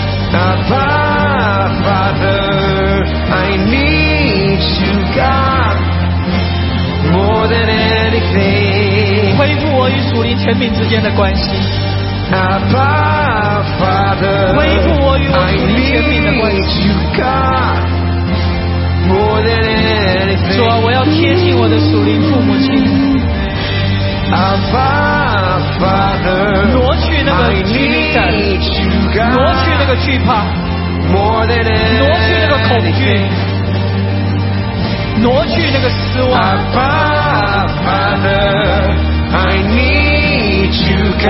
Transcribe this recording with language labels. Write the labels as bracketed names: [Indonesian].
[English] Abba, Father, I need you, God. More than anything, [Chinese] 恢复我与属灵权柄之间的关系。 [English] Abba, Father, [Chinese] 恢复我与我属灵权柄的关系。 [English] I need you, God. More than anything, [Chinese] 主啊，我要贴近我的属灵父母亲。 [English] Abba, Father, [Chinese] 挪去那个距离感，挪去那个惧怕，挪去那个恐惧，挪去那个失望。 [English] Abba, Father, I need you, God.